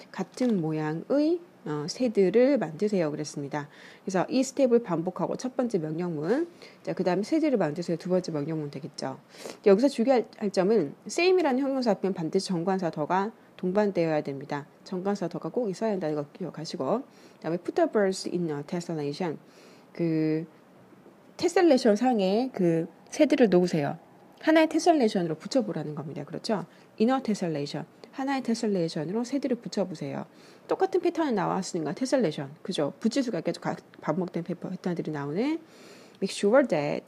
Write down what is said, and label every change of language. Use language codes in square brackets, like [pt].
[ko] 같은 모양의 새들을 만드세요. 그랬습니다. 그래서 이 스텝을 반복하고 첫 번째 명령문. 자, 그 다음에 새들을 만드세요. 두 번째 명령문 되겠죠. 여기서 주의할 점은 same이라는 형용사 앞에는 반드시 정관사 더가 동반되어야 됩니다. 정관사 더가 꼭 있어야 한다는 거 기억하시고. 그 다음에 [en] put the birds in a tessellation. [ko] 그 tessellation 상에 그 새들을 놓으세요. 하나의 tessellation으로 붙여보라는 겁니다. 그렇죠? [en] in a tessellation. [ko] 하나의 tessellation으로 새들을 붙여보세요. 똑같은 패턴이 나왔으니까 tessellation. 그죠? 붙일 수가 계속 반복된 패턴들이 나오는 [en] make sure that.